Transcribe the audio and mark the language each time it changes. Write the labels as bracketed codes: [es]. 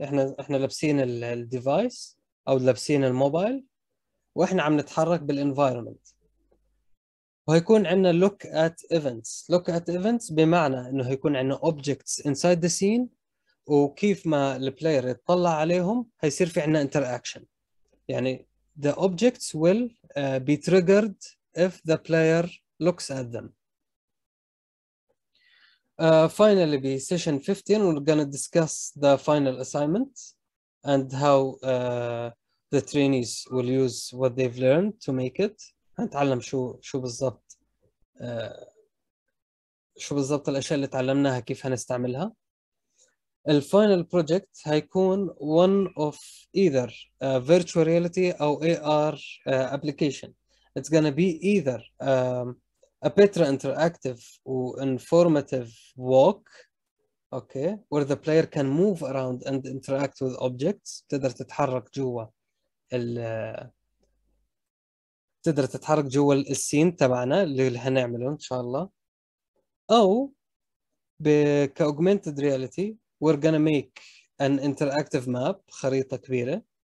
[ar] إحنا لابسين الديفايس أو لابسين الموبايل وإحنا عم نتحرك بالإنفايرمنت. وهيكون عنا [en] look at events. look at events [ar] بمعنى إنه هيكون عنا [en] objects inside the scene [ar] وكيف ما البلاير يتطلع عليهم هيصير في عنا interaction. [en] يعني the objects will be triggered if the player looks at them. Finally, be session 15, we're going to discuss the final assignment and how the trainees will use what they've learned to make it. [ar] هنتعلم شو بالضبط الأشياء اللي تعلمناها كيف هنستعملها. [en] The final project هيكون one of either virtual reality or AR application. It's going to be either a Petra interactive or informative walk, okay, where the player can move around and interact with objects. [ar] تقدر تتحرك جوا تقدر تتحرك جوا السين تبعنا اللي هنعمله إن شاء الله. [en] أو كaugmented reality we're gonna make an interactive map, [ar] خريطة كبيرة.